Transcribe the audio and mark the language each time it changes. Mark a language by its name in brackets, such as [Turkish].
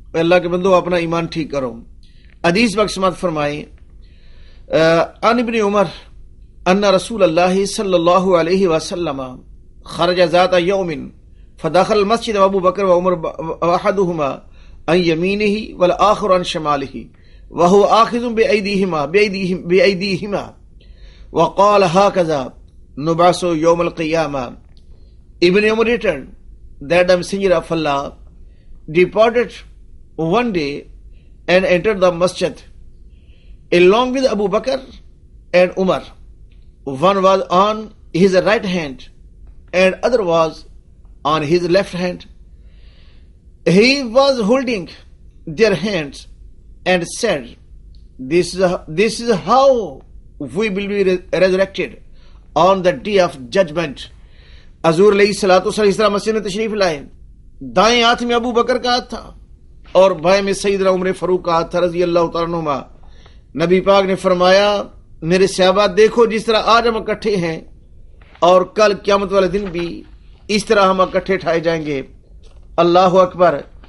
[Urdu] اللہ کے بندو اپنا ایمان ٹھیک کرو. حدیث بخش مت فرمائیں, [Arabic] عن ابن عمر ان رسول اللہ صلی اللہ علیہ وسلم خرج ذات یوم فدخل المسجد ابو بکر و عمر احدهما عن یمینہ والآخر عن شمالہ وهو آخذ بأیدیہما وقال ہاکذا نبعث یوم القیامہ. [English] ابن عمر return that the messenger of Allah departed one day and entered the مسجد along with Abu Bakr and Umar. One was on his right hand and other was on his left hand. He was holding their hands and said, this is how we will be resurrected on the day of judgment. [Urdu] حضور علیہ الصلوۃ والسلام اس طرح مسجد میں تشریف لائے, دائیں ہاتھ میں ابو بکر کا ہاتھ تھا اور بائیں میں سیدنا عمر فاروق کا ہاتھ تھا رضی اللہ تعالیٰ عنہما. نبی پاک نے فرمایا میرے صحابہ دیکھو جس طرح آج ہم اکٹھے ہیں اور کل قیامت والے دن بھی اس طرح ہم اکٹھے اٹھائے جائیں گے. اللہ اکبر.